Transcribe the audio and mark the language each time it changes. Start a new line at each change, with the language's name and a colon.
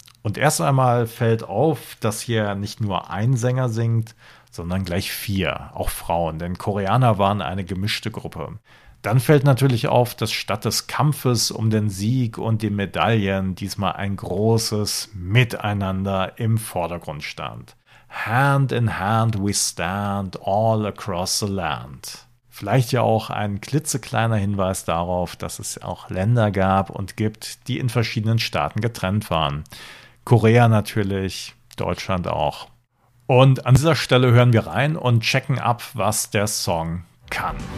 German: Und erst einmal fällt auf, dass hier nicht nur ein Sänger singt, sondern gleich vier, auch Frauen, denn Koreana waren eine gemischte Gruppe. Dann fällt natürlich auf, dass statt des Kampfes um den Sieg und die Medaillen diesmal ein großes Miteinander im Vordergrund stand.
English: Hand in hand we stand all across the land.
German: Vielleicht ja auch ein klitzekleiner Hinweis darauf, dass es auch Länder gab und gibt, die in verschiedenen Staaten getrennt waren. Korea natürlich, Deutschland auch. Und an dieser Stelle hören wir rein und checken ab, was der Song kann.